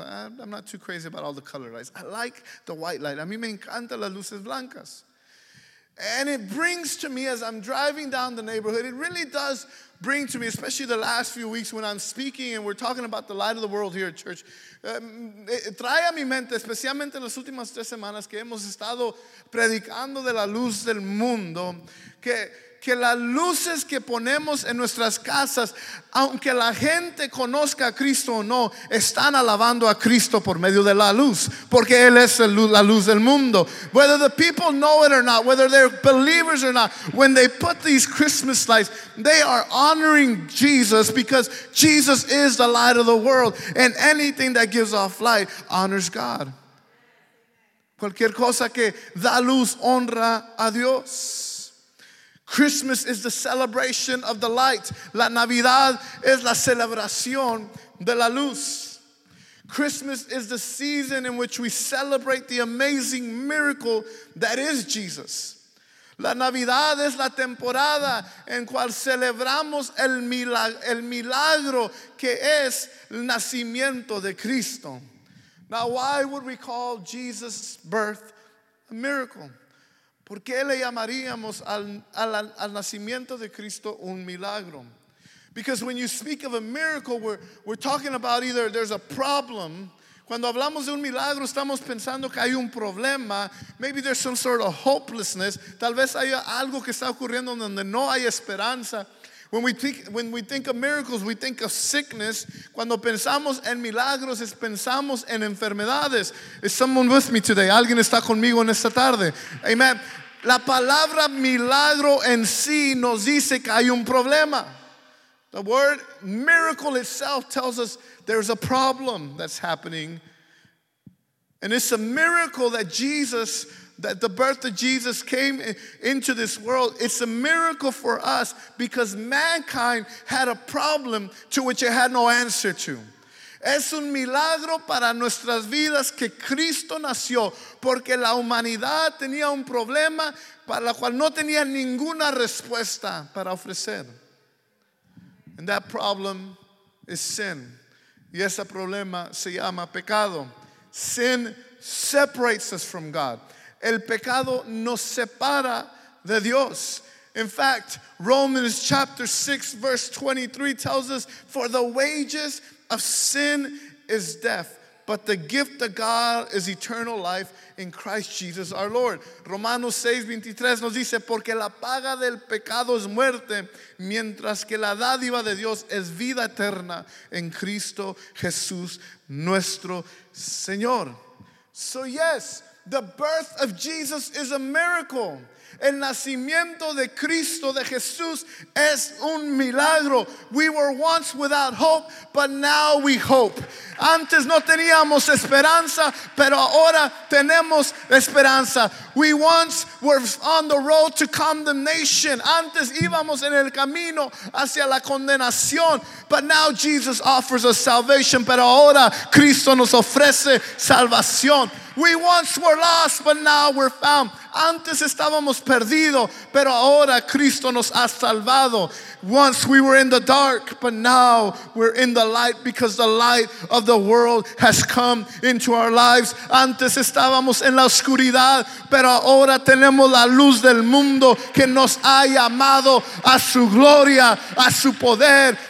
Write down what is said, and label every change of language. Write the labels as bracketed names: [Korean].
[English] I'm not too crazy about all the color lights. I like the white light. [Spanish] A mí me encantan las luces blancas. [English] And it brings to me as I'm driving down the neighborhood, it really does bring to me, especially the last few weeks when I'm speaking and we're talking about the light of the world here at church. [Spanish] Trae a mi mente, especialmente las últimas tres semanas que hemos estado predicando de la luz del mundo, que las luces que ponemos en nuestras casas, aunque la gente conozca a Cristo o no, están alabando a Cristo por medio de la luz, porque Él es la luz del mundo. [English] Whether the people know it or not, whether they're believers or not, when they put these Christmas lights, they are honoring Jesus because Jesus is the light of the world, and anything that gives off light honors God. [Spanish] Cualquier cosa que da luz honra a Dios. [English] Christmas is the celebration of the light. [Spanish] La Navidad es la celebración de la luz. [English] Christmas is the season in which we celebrate the amazing miracle that is Jesus. [Spanish] La Navidad es la temporada en cual celebramos el milagro que es el nacimiento de Cristo. [English] Now, why would we call Jesus' birth a miracle? [Spanish] ¿Por qué le llamaríamos al nacimiento de Cristo un milagro? [English] Because when you speak of a miracle, we're talking about either there's a problem. [Spanish] Cuando hablamos de un milagro, estamos pensando que hay un problema. [English] Maybe there's some sort of hopelessness. [Spanish] Tal vez haya algo que está ocurriendo donde no hay esperanza. [English] When we think of miracles, we think of sickness. [Spanish] Cuando pensamos en milagros, pensamos en enfermedades. [English] Is someone with me today? [Spanish] ¿Alguien está conmigo en esta tarde? Amen. La palabra milagro en sí nos dice que hay un problema. [English] The word miracle itself tells us there's a problem that's happening. And it's a miracle that Jesus, that the birth of Jesus came into this world. It's a miracle for us because mankind had a problem to which it had no answer to. [Spanish] Es un milagro para nuestras vidas que Cristo nació porque la humanidad tenía un problema para la cual no tenía ninguna respuesta para ofrecer. [English] And that problem is sin. [Spanish] Y ese problema se llama pecado. [English] Sin separates us from God. [Spanish] El pecado nos separa de Dios. [English] In fact, Romans chapter 6 verse 23 tells us, for the wages of sin is death, but the gift of God is eternal life in Christ Jesus our Lord. [Spanish] Romanos 6, 23 nos dice, porque la paga del pecado es muerte, mientras que la dádiva de Dios es vida eterna en Cristo Jesús nuestro Señor. [English] So yes, the birth of Jesus is a miracle. [Spanish] El nacimiento de Cristo, de Jesús, es un milagro. [English] We were once without hope, but now we hope. [Spanish] Antes no teníamos esperanza, pero ahora tenemos esperanza. [English] We once were on the road to condemnation. [Spanish] Antes íbamos en el camino hacia la condenación, [English] but now Jesus offers us salvation. [Spanish] Pero ahora Cristo nos ofrece salvación. [English] We once were lost, but now we're found. [Spanish] Antes estábamos perdidos, pero ahora Cristo nos ha salvado. [English] Once we were in the dark, but now we're in the light because the light of the world has come into our lives. [Spanish] Antes estábamos en la oscuridad, pero ahora tenemos la luz del mundo que nos ha llamado a su gloria, a su poder.